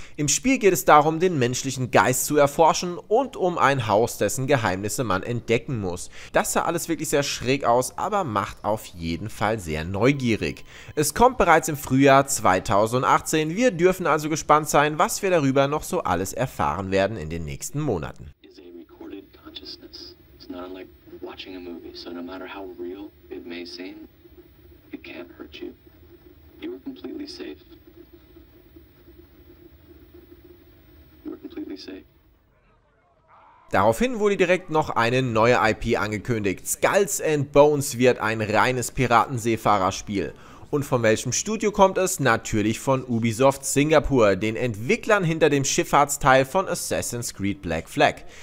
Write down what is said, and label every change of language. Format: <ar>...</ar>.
<de>Im Spiel geht es darum, den menschlichen Geist zu erforschen und um ein Haus, dessen Geheimnisse man entdecken muss. Das sah alles wirklich sehr schräg aus, aber macht auf jeden Fall sehr neugierig. Es kommt bereits im Frühjahr 2018. Wir dürfen also gespannt sein, was wir darüber noch so alles erfahren werden in den nächsten Monaten.</de> <en>Is a recorded consciousness. It's not like watching a movie, so no matter how real it may seem, it can't hurt you. You are completely safe. You are completely safe.</en> <de>Daraufhin wurde direkt noch eine neue IP angekündigt. Skulls and Bones wird ein reines Piratenseefahrerspiel. Und von welchem Studio kommt es? Natürlich von Ubisoft Singapur, den Entwicklern hinter dem Schifffahrtsteil von Assassin's Creed Black Flag.</de>